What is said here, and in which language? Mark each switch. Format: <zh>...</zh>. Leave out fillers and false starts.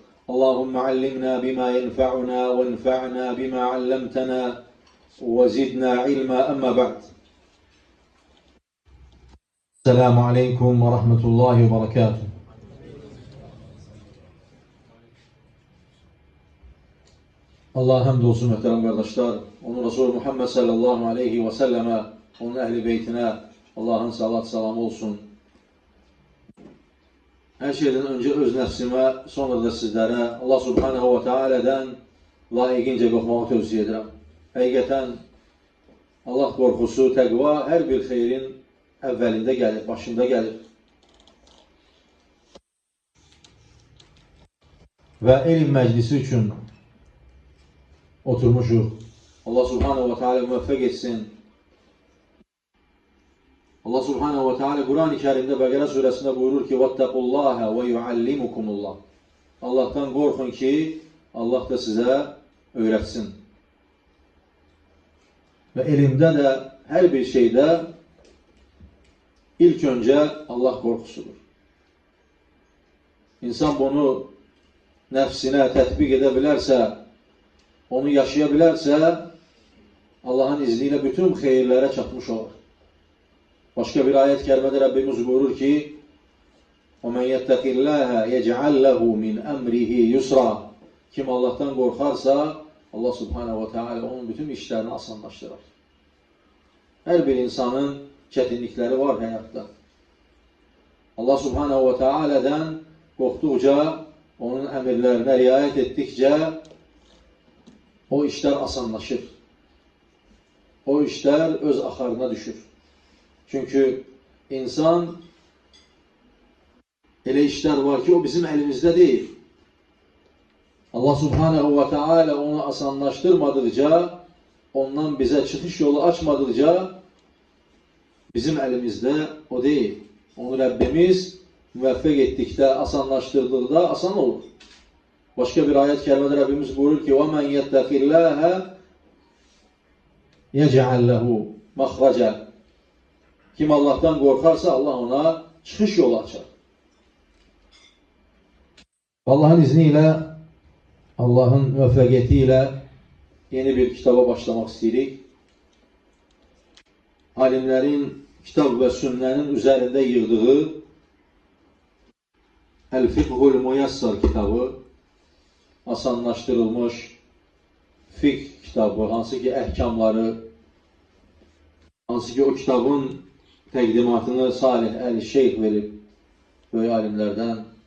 <ar>اللهم علمنا بما ينفعنا وانفعنا بما علمتنا وزدنا علما. أما بعد، السلام عليكم ورحمة الله وبركاته.</ar> <tr>Allah'a hamdolsun muhterem kardeşler. Onun Resulü Muhammed sallallahu aleyhi ve selleme, onun ehli beytine Allah'ın salat selamı olsun. Her şeyden önce öz nefsime, sonra da sizlere Allah subhanehu ve teala'dan layıkince korkmamı tövsiye ederim. Hakikaten Allah korkusu, tekva her bir hayrin evvelinde gelir, başında gelir. Ve ilim meclisi için oturmuşuz. Allah subhanehu ve teala müvaffak etsin. Allah subhanehu ve teala Kur'an-ı Kerim'de Bakara suresinde buyurur ki</tr> <ar>وَاتَّقُوا اللّٰهَ وَيُعَلِّمُكُمُ اللّٰهِ.</ar> <tr>Allah'tan korkun ki Allah da size öğretsin. Ve ilimde de her bir şeyde ilk önce Allah korkusudur. İnsan bunu nefsine tetbik edebilirse, onu yaşayabilirse Allah'ın izniyle bütün hayırlara çatmış olur. Başka bir ayet kerimede Rabbimiz buyurur ki</tr> <ar>وَمَنْ يَتَّقِ اللّٰهَ يَجْعَلْ لَهُ مِنْ أَمْرِهِ يُسْرًا.</ar> <tr>Kim Allah'tan korkarsa Allah subhanehu ve teala onun bütün işlerini asanlaştırır. Her bir insanın çetinlikleri var hayatta. Allah subhanehu ve teala'dan korktukça, onun emirlerine riayet ettikçe o işler asanlaşır. O işler öz akarına düşür. Çünkü insan öyle işler var ki o bizim elimizde değil. Allah subhanehu ve teala onu asanlaştırmadıkça, ondan bize çıkış yolu açmadıkça bizim elimizde o değil. Onu Rabbimiz müvaffak ettikte, asanlaştırdıkta asan olur. Başka bir ayet kerimede Rabbimiz buyurur ki</tr> <ar>وَمَنْ يَتَّقِ اللّٰهَ يَجْعَلْ لَهُ مَخْرَجَ.</ar> <tr>Kim Allah'tan korkarsa Allah ona çıkış yolu açar. Allah'ın izniyle, Allah'ın müvaffakiyetiyle yeni bir kitaba başlamak istedik. Alimlerin kitap ve sünnenin üzerinde yığdığı El-Fikhul Muyassar kitabı, asanlaştırılmış fik kitabı,</tr> <az>hansı ki ehkamları, hansı ki o kitabın təqdimatını Salih el-Şeyh verib,</az> <tr>böyük alimlerden.</tr>